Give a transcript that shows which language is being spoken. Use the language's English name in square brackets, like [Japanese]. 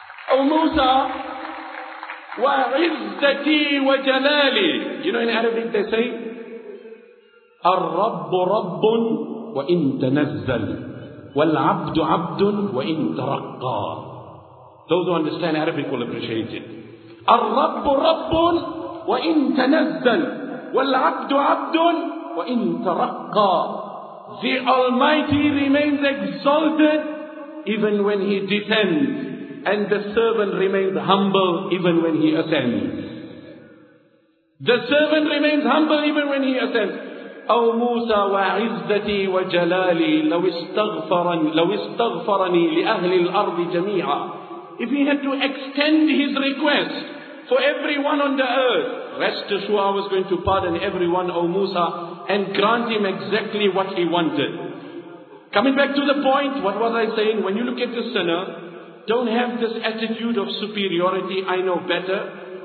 [Arabic] O Musa, wa izzati wa jalali. [English] You know in Arabic they say, [Arabic] Ar-Rabbu Rabbun wa in tanazzal. والعبد عبد وإن ترقى. [English] Those who understand Arabic will appreciate it. [Arabic] الرب رب وإن تنزل والعبد عبد وإن ترقى. [English] The Almighty remains exalted even when He descends, and the servant remains humble even when he ascends. The servant remains humble even when he ascends. [Arabic] أو موسى وعزتي وجلالي لو استغفرني لأهل الأرض جميعا. [English] If he had to extend his request for everyone on the earth, rest assured I was going to pardon everyone, O Musa, and grant him exactly what he wanted. Coming back to the point, what was I saying? When you look at the sinner, don't have this attitude of superiority, I know better.